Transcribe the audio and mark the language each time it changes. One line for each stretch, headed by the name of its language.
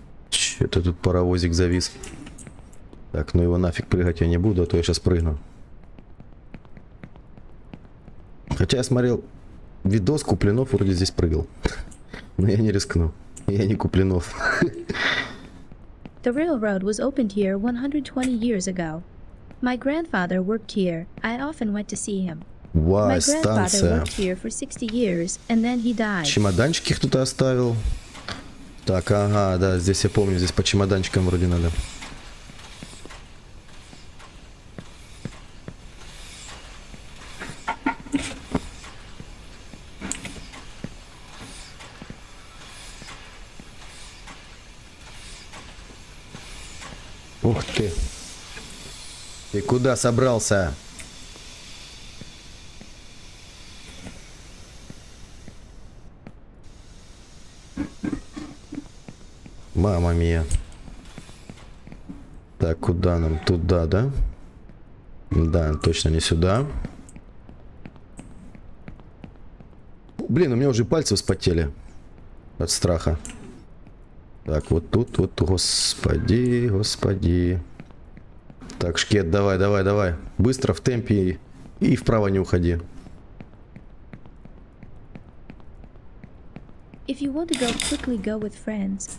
Russian: Чё-то тут паровозик завис. Так, ну его нафиг прыгать я не буду, а то я сейчас прыгну. Хотя я смотрел видос Куплинов, вроде здесь прыгал. Но я не рискну, я не Куплинов.
English: The railroad was opened here 120 years ago. My grandfather worked here. I often went to see him. Wow, my grandfather
Russian: станция.
English: Worked here for 60 years, and then he died.
Russian: Чемоданчики кто-то оставил. Так, ага, да, здесь я помню, здесь по чемоданчикам вроде надо. Ух ты. Ты куда собрался? Мама мия. Так, куда нам? Туда, да? Да, точно не сюда. Блин, у меня уже пальцы вспотели от страха. Так, вот тут вот, господи, господи. Так, шкет, давай, давай, давай. Быстро, в темпе и вправо не уходи.
English: If you want to go quickly, go with friends.